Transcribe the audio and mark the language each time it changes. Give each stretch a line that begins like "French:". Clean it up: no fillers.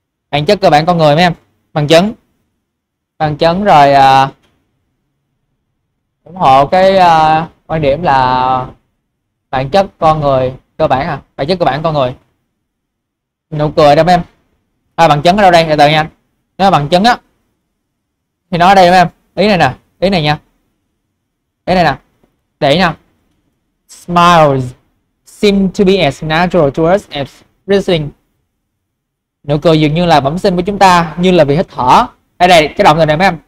Vietnamese: Bản chất cơ bản con người mấy em. Bằng chứng. Bằng chứng rồi ủng hộ cái quan điểm là bản chất con người cơ bản à. Bản chất cơ bản con người. Nụ cười đó mấy em. À, bằng chứng ở đâu đây? Từ từ nha. Nếu bằng chứng á thì nó ở đây mấy em. Ý này nè. Ý này nha. Ý này nè. Để nha.
English: Smiles seem to be as natural to us as breathing.
Vietnamese: Nụ cười dường như là bẩm sinh với chúng ta, như là vì hít thở. Đây đây, cái động từ này mấy em.